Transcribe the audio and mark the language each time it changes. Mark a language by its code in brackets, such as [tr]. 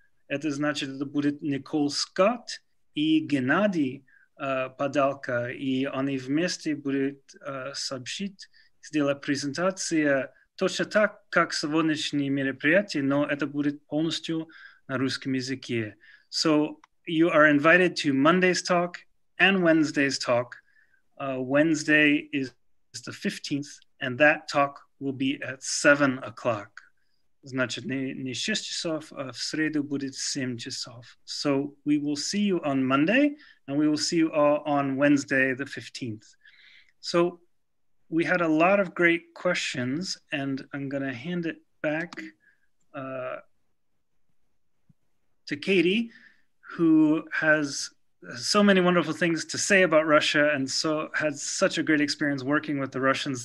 [ru] Это значит, это будет Никол Скотт и Геннадий Подалка, и они вместе будут сообщить, сделать презентацию точно так, как сегодняшние мероприятия, но это будет полностью на русском языке. [en] So you are invited to Monday's talk and Wednesday's talk. Wednesday is the 15th, and that talk will be at 7 o'clock. [ru] Значит, не 6 часов, а в среду будет 7 часов. [en] So we will see you on Monday, and we will see you all on Wednesday the 15th. So we had a lot of great questions, and I'm going to hand it back to Cady, who has so many wonderful things to say about Russia and so had such a great experience working with the Russians.